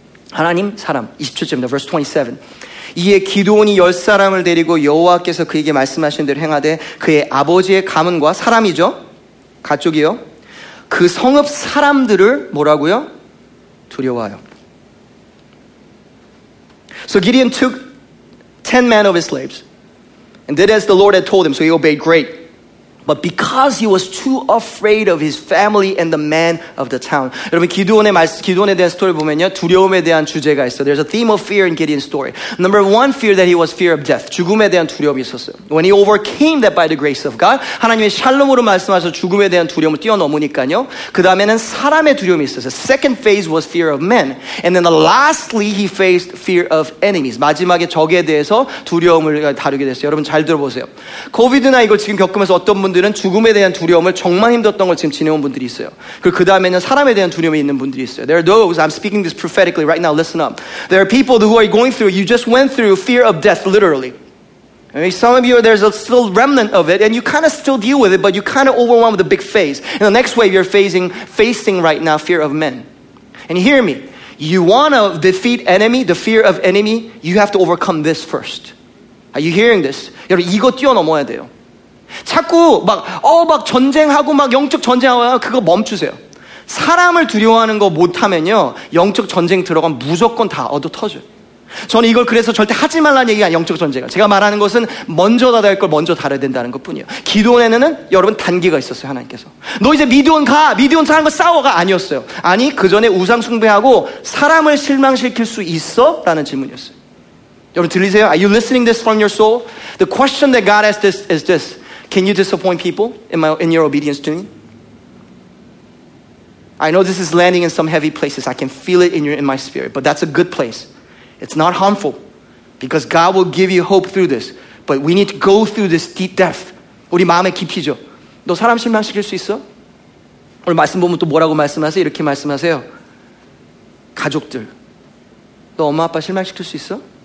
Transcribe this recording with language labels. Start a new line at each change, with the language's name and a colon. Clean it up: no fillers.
Korean: 하나님, 사람. 27절입니다.
English: Verse 27.
Korean: 이에 기드온이 열 사람을 데리고 여호와께서 그에게 말씀하신 대로 행하되 그의 아버지의 가문과 사람이죠? 가족이요? 그 성읍 사람들을 뭐라고요? 두려워요.
English: So Gideon took 10 men of his slaves and did as the Lord had told him. So he obeyed great. But because he was too afraid of his family and the man of the town.
Korean: 여러분 기드온에 대한 스토리 보면요. 두려움에 대한 주제가 있어.
English: There's a theme of fear in Gideon's story. Number one fear that he was fear of death.
Korean: 죽음에 대한 두려움이 있었어요.
English: When he overcame that by the grace of God.
Korean: 하나님의 샬롬으로 말씀하셔서 죽음에 대한 두려움을 뛰어넘으니까요. 그 다음에는 사람의 두려움이 있었어요.
English: Second phase was fear of men. And then lastly he faced fear of enemies.
Korean: 마지막에 적에 대해서 두려움을 다루게 됐어요. 여러분 잘 들어보세요. COVID나 이걸 지금 겪으면서 어떤 분들은 죽음에 대한 두려움을 정말 힘들었던 걸 지금 지내온 분들이 있어요. 그리고 그 다음에는 사람에 대한 두려움이 있는 분들이 있어요.
English: There are those, I'm speaking this prophetically right now, listen up. There are people who are going through, you just went through fear of death, literally. I mean, some of you, there's a still remnant of it, and you kind of still deal with it, but you kind of overwhelmed with a big phase. And the next wave you're facing right now, fear of men. And hear me, you want to defeat enemy, the fear of enemy, you have to overcome this first. Are you hearing this?
Korean: 여러분, 이거 뛰어넘어야 돼요. 자꾸 막 전쟁하고 막 영적 전쟁하고 그거 멈추세요. 사람을 두려워하는 거 못하면요 영적 전쟁 들어가면 무조건 다 얻어 터져요. 저는 이걸 그래서 절대 하지 말라는 얘기가 영적 전쟁을 제가 말하는 것은 먼저 다 될 걸 먼저 다뤄야 된다는 것뿐이에요. 기도원에는 여러분 단계가 있었어요. 하나님께서 너 이제 미디온 가 미디온 사람과 싸워가 아니었어요. 아니 그 전에 우상 숭배하고 사람을 실망시킬 수 있어? 라는 질문이었어요. 여러분 들리세요?
English: Are you listening this from your soul? The question that God asked this is this. Can you disappoint people in your obedience to me? I know this is landing in some heavy places. I can feel it in my spirit. But that's a good place. It's not harmful. Because God will give you hope through this. But we need to go through this deep depth.
Korean: 우리 마음에 깊이죠. 너 사람 실망시킬 수 있어? 오늘 말씀 보면 또 뭐라고 말씀하세요? 이렇게 말씀하세요. 가족들. 너 엄마 아빠 실망시킬 수 있어?